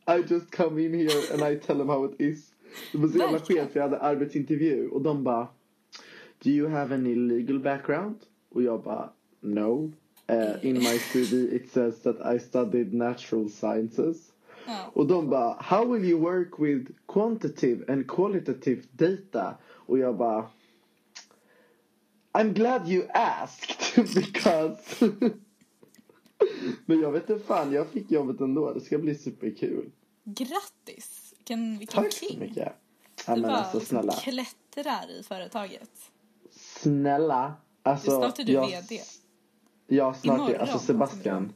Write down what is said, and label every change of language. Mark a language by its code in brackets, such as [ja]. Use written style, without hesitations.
[en] I just come in here and I tell them how it is. [sv] Det var så jävla skev, för jag hade arbetsintervju. Och de bara, [en] do you have any legal background? [sv] Och jag bara, [en] no. In my CV it says that I studied natural sciences. [sv] Ja. Och de bara, [en] how will you work with quantitative and qualitative data? [sv] Och jag bara, [en] I'm glad you asked, because... [sv] Men jag vet inte fan, jag fick jobbet ändå. Det ska bli superkul. Grattis. Vilken king. Tack så mycket. Ja, du men bara alltså, snälla. Klättrar i företaget. Snälla. Alltså, snart är du vd. Ja, snart imorgon, är alltså Sebastian.